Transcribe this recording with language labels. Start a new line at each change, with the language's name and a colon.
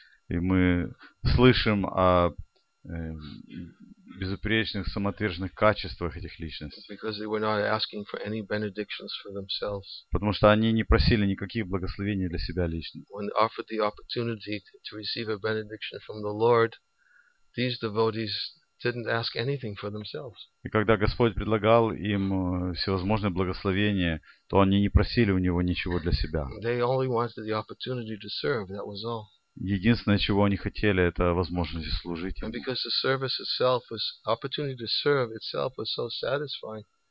Russian: И мы слышим о безупречных самоотверженных качествах этих личностей.
English: Because they were not asking for any benedictions for themselves.
Russian: Потому что они не просили никаких благословений для себя лично.
English: When offered the opportunity to receive a benediction from the Lord, these devotees didn't ask anything for themselves.
Russian: И когда Господь предлагал им всевозможные благословения, то они не просили у него ничего для себя.
English: They only wanted the opportunity to serve, that was all.
Russian: Единственное, чего они хотели, это возможность служить.
English: And because the service itself was, opportunity to serve itself was so satisfying.